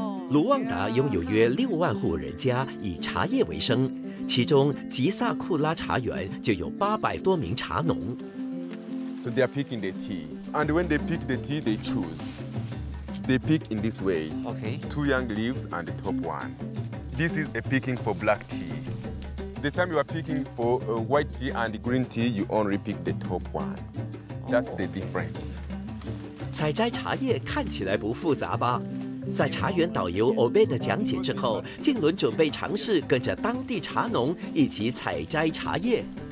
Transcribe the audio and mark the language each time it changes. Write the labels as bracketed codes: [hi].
[zh] 卢旺达拥有约60000户人家以茶叶为生，其中吉萨库拉茶园就有800多名茶农。 [en] So they are picking the tea, and when they pick the tea, they choose. They pick in this way. Okay. Two young leaves and the top one. This is a picking for black tea. The time you are picking for white tea and green tea, you only pick the top one. That's the difference. [zh] 采摘茶叶看起来不复杂吧？在茶园导游 Obed 的讲解之后，靖伦准备尝试跟着当地茶农一起采摘茶叶。